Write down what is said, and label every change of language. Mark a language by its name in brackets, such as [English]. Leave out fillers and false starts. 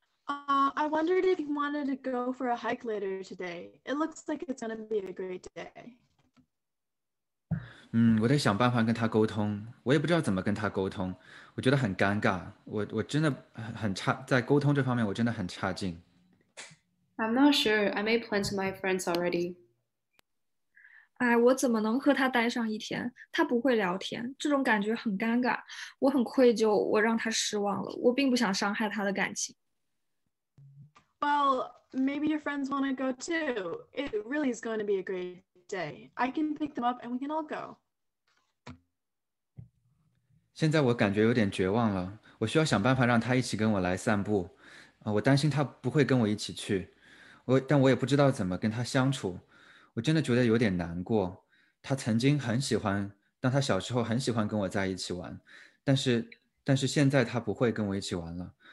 [English] I wondered if you wanted to go for a hike later today. It looks like it's going to be a great day. [Chinese] 我得想办法跟他沟通。我也不知道怎么跟他沟通。我觉得很尴尬。我真的很差，在沟通这方面我真的很差劲。 [English] I'm not sure. I made plans with my friends already. [Chinese] 哎，我怎么能和他待上一天？他不会聊天，这种感觉很尴尬。我很愧疚，我让他失望了。我并不想伤害他的感情。 [English] Well, maybe your friends want to go too. It really is going to be a great day. I can pick them up and we can all go. [Chinese] 现在我感觉有点绝望了，我需要想办法让他一起跟我来散步。我担心他不会跟我一起去，但我也不知道怎么跟他相处。我真的觉得有点难过。他曾经很喜欢，当他小时候很喜欢跟我在一起玩，但是现在他不会跟我一起玩了。